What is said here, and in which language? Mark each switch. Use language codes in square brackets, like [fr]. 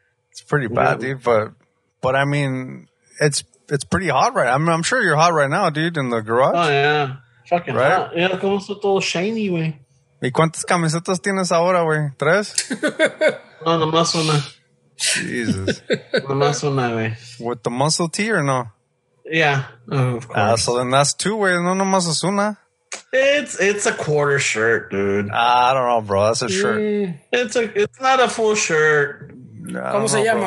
[en] It's pretty bad, yeah, dude. But, I mean, it's pretty hot, right? I mean, I'm sure you're hot right now, dude, in the garage. Oh, yeah. Fucking right? Hot. Yeah, [es] como está todo [en] shiny, güey. [es] ¿Y cuántas camisetas tienes ahora, güey? ¿Tres? No, nomás una. [en] Jesus. With the muscle tee or no? Yeah, of course. So then that's two, güey. [es] No nomás es una. [en] It's a quarter shirt, dude. I don't know, bro. That's a shirt. It's not a full shirt. [es] ¿Cómo se llama?